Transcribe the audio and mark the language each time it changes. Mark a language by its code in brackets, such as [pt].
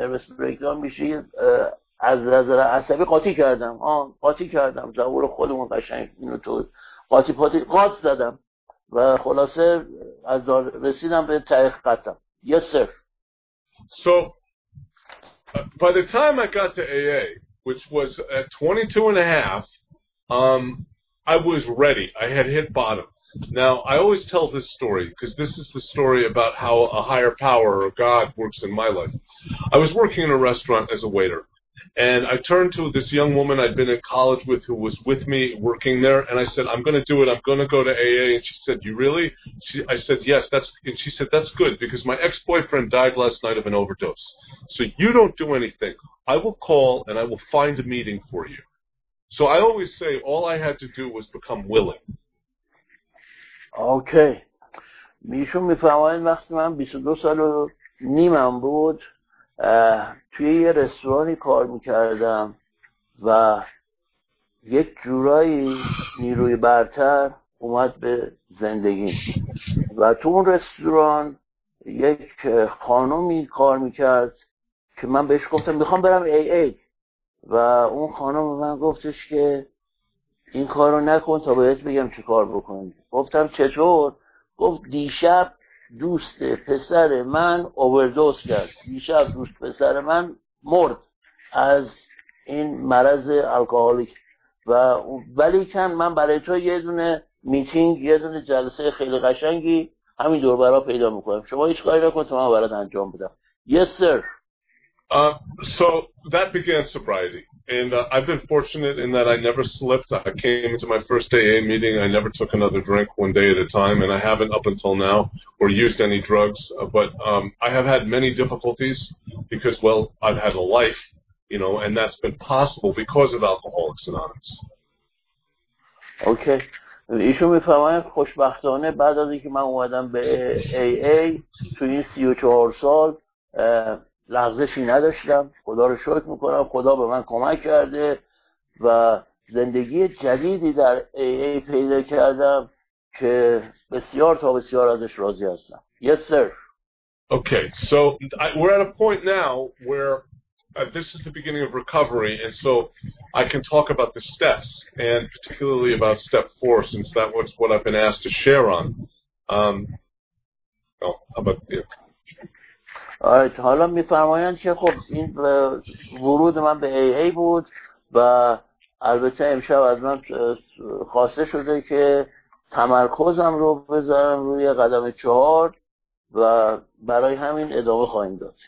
[fa] نروس بریکداون میشه از نظر عصبی قاطی کردم زبور خودمون قشنگ اینو تو قاطی پاتی قاط زدم و خلاصه از رسیدم به تایخ قطم. [en] Yes sir. So by the time I got to AA, which was at 22 and a half, I was ready. I had hit bottom. Now, I always tell this story because this is the story about how a higher power or God works in my life. I was working in a restaurant as a waiter, and I turned to this young woman I'd been in college with who was with me working there, and I said, I'm going to do it. I'm going to go to AA. And she said, you really? I said, yes. And she said, that's good, because my ex-boyfriend died last night of an overdose. So you don't do anything. I will call, and I will find a meeting for you. So I always say all I had to do was become willing. [fa] اوکی میشون میفهمن وقتی من 22 سال و نیمم بود توی یه رستورانی کار میکردم و یک جورایی نیروی برتر اومد به زندگی و تو اون رستوران یک خانومی کار میکرد که من بهش گفتم میخوام برم ای ای و اون خانم من گفتش که این کار رو نکن تا بهت بگم چه کار بکنی. گفتم چطور؟ گفت دیشب دوست پسر من اووردوز کرد. دیشب دوست پسر من مرد از این مرض الکوهولیک. و ولی چند من برای تو یه دونه میتینگ، یه دونه جلسه خیلی قشنگی همین دور برا پیدا میکنم. شما هیچ کاری نکن تا من برات انجام بدم. [en] Yes, sir. So that began sobriety. And I've been fortunate in that I never slipped. I came into my first AA meeting. I never took another drink one day at a time. And I haven't up until now or used any drugs. But I have had many difficulties because, well, I've had a life, you know, and that's been possible because of Alcoholics Anonymous. Okay. [fa] ایشون میفهمن خوشبختانه بعد از اینکه من اومدم به AA توی 34 سال لغزشی نداشتم، خدا رو شکر میکنم، خدا به من کمک کرده و زندگی جدیدی در AA پیدا کردم که بسیار تا بسیار ازش راضی هستم. [en] Yes, sir. Okay, so we're at a point now where this is the beginning of recovery, and so I can talk about the steps, and particularly about step four, since that was what I've been asked to share on. How about you? [fa] آره، حالا میفرمایند که خب این ورود من به AA بود و البته امشب از من خواسته شده که تمرکزم رو بذارم روی قدم چهار و برای همین ادامه خواهیم داد.